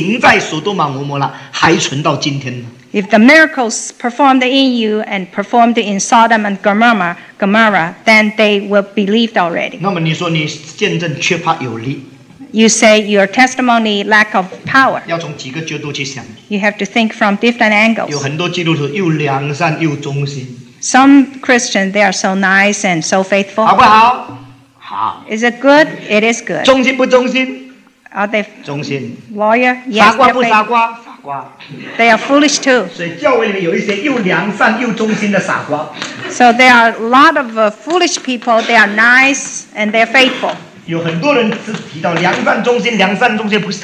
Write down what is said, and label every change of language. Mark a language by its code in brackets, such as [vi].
[zh] 因为在你们中间所行的神迹，如果行在所多玛、蛾摩拉，还存到今天呢？ [en] If the miracles performed in you and performed in Sodom and Gomorrah, then they will be believed already. [zh] 那么你说你见证缺乏有力。 [en] You say your testimony lack of power. [zh] 要从几个角度去想。 [en] You have to think from different angles. [zh] 有很多基督徒又良善又忠心。 [en] Some Christians, they are so nice and so faithful. [zh] 好不好？ [en] Is it good? It is good. [zh] 忠心不忠心? [en] Are they [zh] 忠心? [en] Lawyer? Yes. [zh] 傻瓜不傻瓜? [en] They are foolish too. [zh] 所以教会里有一些又良善又忠心的傻瓜。 [en] So there are a lot of foolish people. They are nice and they are faithful. [zh] 有很多人只提到良善忠心，良善忠心。